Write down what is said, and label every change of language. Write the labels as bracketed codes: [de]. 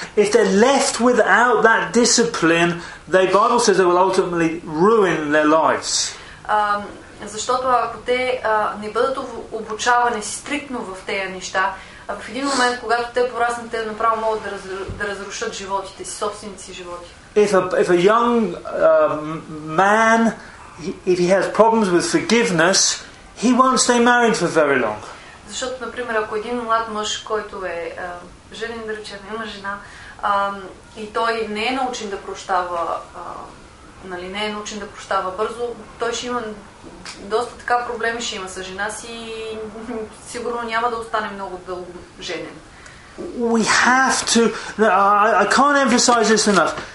[en] If they're left without that discipline, the Bible says they will ultimately ruin their lives. [bg] Защото ако те не бъдат обучавани стриктно в тези неща, в един момент, когато те пораснат, те направо могат да разрушат животите си, собствените си животи. [en] If a young man, if he has problems with forgiveness, he won't stay married for very long. [bg] Защото, например, ако един млад мъж, който е женен, да речем, има жена, и той не е научен да прощава, нали, не е научен да прощава бързо, той ще има доста така проблеми ще има с жена си и сигурно няма да остане много дълго женен. [en] We have to, I can't emphasize this enough.